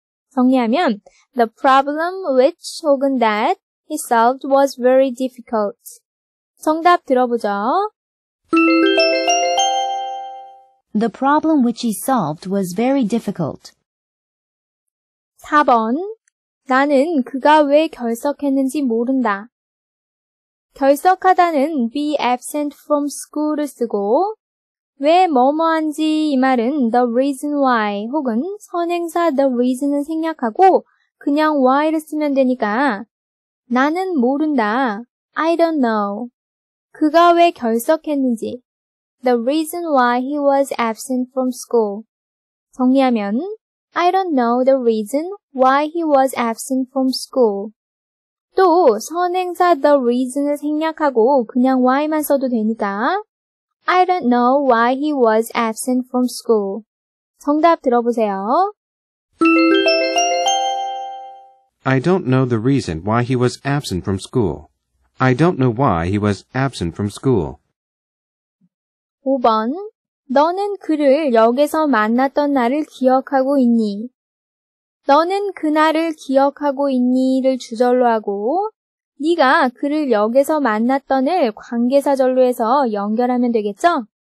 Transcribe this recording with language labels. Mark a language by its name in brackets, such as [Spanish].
[Korean] 정리하면 [English] the problem which [Korean] 혹은 [English] that he solved was very difficult. [Korean] 정답 들어보죠. [English] The problem which he solved was very difficult. [Korean] 4번. 나는 그가 왜 결석했는지 모른다. 결석하다는 be absent from school을 쓰고 왜 뭐뭐한지 이 말은 the reason why 혹은 선행사 the reason을 생략하고 그냥 why를 쓰면 되니까 나는 모른다. [English] I don't know. [Korean] 그가 왜 결석했는지 [English] The reason why he was absent from school. [Korean] 정리하면 [English] I don't know the reason why he was absent from school. [Korean] 또 선행사 the reason을 생략하고 그냥 why만 써도 되니까 [English] I don't know why he was absent from school. [Korean] 정답 들어보세요. [English] I don't know the reason why he was absent from school. I don't know why he was absent from school. [Korean] 5번. 너는 그를 역에서 만났던 날을 기억하고 있니? 너는 그날을 기억하고 있니?를 주절로 하고 네가 그를 역에서 만났던을 관계사절로 해서 연결하면 되겠죠?